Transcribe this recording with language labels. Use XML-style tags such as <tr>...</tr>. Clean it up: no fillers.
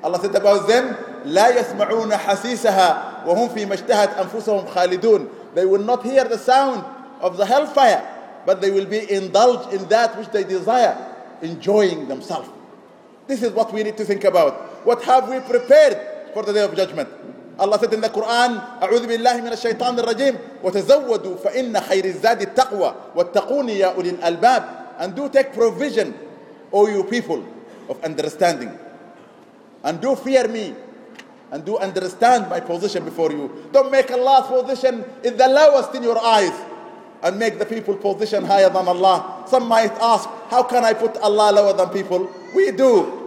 <en>Allah said about them,</en> <ar>لَا يَسْمَعُونَ حَسِيسَهَا وَهُمْ فِي مَشْتَهَتْ أَنفُسَهُمْ خَالِدُونَ.</ar> <en>They will not hear the sound of the hellfire but they will be indulged in that which they desire, enjoying themselves. This is what we need to think about. What have we prepared for the day of judgment? Allah said in the Quran,</en> <ar>أعوذ بالله من الشيطان الرجيم وتزودوا فإن خير الزاد التقوى واتقوني يا أولي الألباب.</ar> <en>And do take provision, O you people of understanding. And do fear me. And do understand my position before you. Don't make Allah's position in the lowest in your eyes. And make the people position higher than Allah. Some might ask, how can I put Allah lower than people? We do.</en>